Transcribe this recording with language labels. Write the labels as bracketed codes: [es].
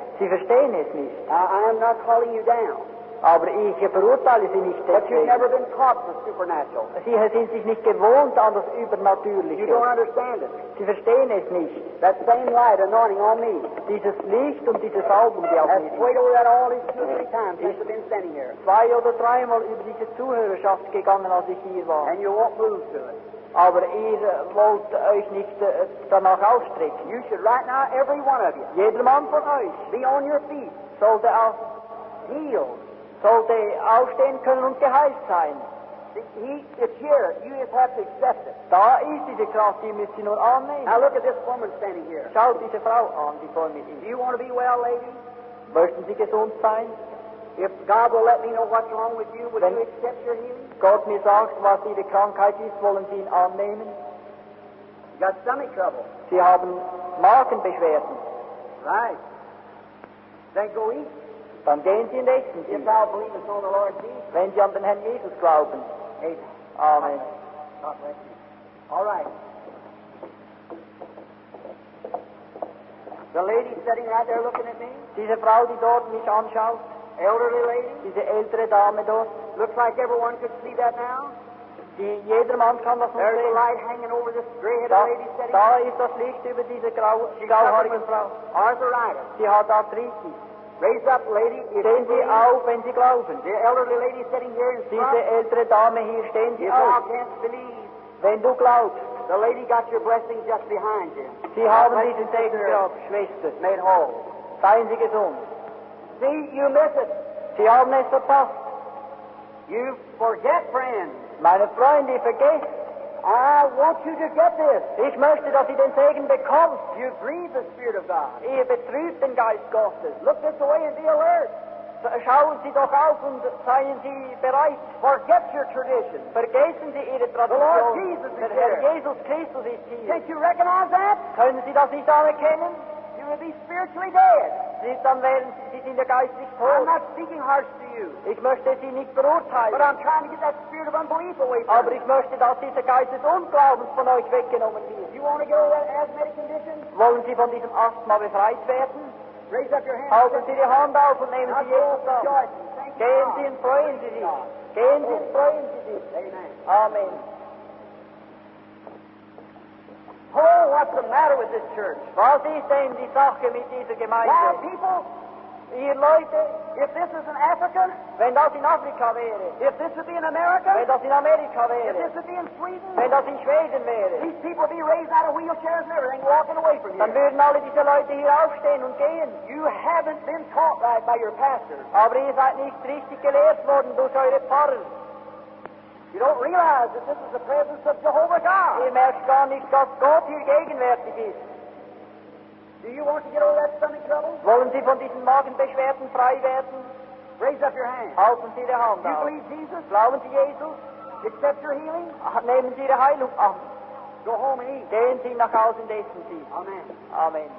[de] Sie verstehen es nicht. [en] I am not calling you down. [de] Aber ich verurteile Sie nicht deswegen. [en] But you've never been taught the supernatural. [de] Sie sind sich nicht gewohnt an das Übernatürliche. [en] You don't understand it. [de] Sie verstehen es nicht. [en] That same light anointing on me. [de] Dieses Licht und dieses Salben, die auf mich. [en] Wait over that all these two or three times since I've been standing here. [de] Zwei oder dreimal über diese Zuhörerschaft gegangen, als ich hier war. [en] And you won't move to it. [de] Aber ihr wollt euch nicht danach ausstrecken. [en] You should right now, every one of you. [de] Jeder Mann von euch. [en] Be on your feet. [de] Sollte auf [en] heal. [de] Sollte aufstehen können und geheilt sein. [en] It's here. You just have to accept it. [de] Da ist diese Kraft, die müsst ihr nur annehmen. [en] Now look at this woman standing here. [de] Schaut diese Frau an, die vor mir ist. [en] Do you want to be well, lady? [de] Möchten Sie gesund sein? [en] If God will let me know what's wrong with you, will you accept your healing? [de] Gott mir sagt, was Ihre Krankheit ist, wollen Sie ihn annehmen? [en] You got stomach trouble. [de] Sie haben Magenbeschwerden. [en] Right. Then go eat. [de] Dann gehen Sie und essen Sie. [en] If thou believest on the Lord Jesus. [de] Wenn Sie an den Herrn Jesus glauben. [en] Amen. [de] Amen. [en] God bless you. All right. The lady sitting right there looking at me. [de] Diese Frau, die dort mich anschaut. [en] Elderly lady. [de] Diese ältere Dame dort. [en] Looks like everyone could see that now. [de] Die, jeder Mann kann das [en] there's [de] sehen. [en] A light hanging over this gray-headed lady sitting. [de] Da ist das Licht über diese grauhaarige Frau. [en] Arthritis. [de] Sie hat Arthritis. [en] Raise up, lady. [de] Stehen Sie auf, wenn Sie glauben. [en] The elderly lady sitting here in front. [de] Diese ältere Dame hier, stehen Sie auf. [en] You can't believe. [de] Wenn du glaubst. [en] The lady got your blessing just behind you. [de] Sie God haben diesen Segen gehabt, Schwester. [en] Made whole. [de] Seien Sie gesund. [en] See, you miss it. [de] Sie haben es verpasst. [en] You forget, friend. [de] Meine Freunde, vergesst. [en] I want you to get this. [de] Ich möchte, dass ihr den Segen bekommst. [en] You grieve the Spirit of God. [de] Ihr betrübt den Geist Gottes. [en] Look this way and be alert. [de] Schauen Sie doch auf und seien Sie bereit. [en] Forget your tradition. [de] Vergessen Sie Ihre Tradition. [en] The Lord Jesus is here. [de] Jesus Christus ist hier. [en] Can't you recognize that? [de] Können Sie das nicht anerkennen? [en] You will be spiritually dead. [de] Dann werden Sie in der geistig tot. [en] I'm not speaking harsh to you. [de] Ich möchte Sie nicht beurteilen. [en] But I'm trying to get that spirit of unbelief away from you. [de] Aber ich möchte, dass dieser Geist des Unglaubens von euch weggenommen wird. [en] You want to get over that asthmatic condition? [de] Wollen Sie von diesem Asthma befreit werden? [en] Raise up your hand. [de] Halten Sie die Hand auf und nehmen Sie Jesus an. Gehen Sie und freuen Sie sich. Gehen Sie und freuen Sie sich. [en] Amen. [de] Amen. [en] Oh, what's the matter with this church? [de] Was ist denn die Sache mit dieser Gemeinde? [en] Wow, people, [de] ihr Leute, [en] if this is in Africa, [de] wenn das in Afrika wäre, [en] if this would be in America, [de] wenn das in Amerika wäre, [en] if this would be in Sweden, [de] wenn das in Schweden wäre, [en] these people would be raised out of wheelchairs and everything, walking away from here. [de] Dann würden alle diese Leute hier aufstehen und gehen. [en] You haven't been taught right by your pastors. [de] Aber ihr seid nicht richtig gelehrt worden durch eure Pfarrer. [en] You don't realize that this is the presence of Jehovah God. [de] Ihr merkt gar nicht, dass Gott hier gegenwärtig ist. [en] Do you want to get over that stomach trouble? [de] Wollen Sie von diesen Magenbeschwerden frei werden? [en] Raise up your hand. [de] Halten Sie Ihre Hand auf. [en] You believe Jesus? [de] Glauben Sie Jesus? [en] Accept your healing? [de] Nehmen Sie Ihre Heilung an. [en] Go home and eat. [de] Gehen Sie nach Hause und essen Sie. [en] Amen. [de] Amen.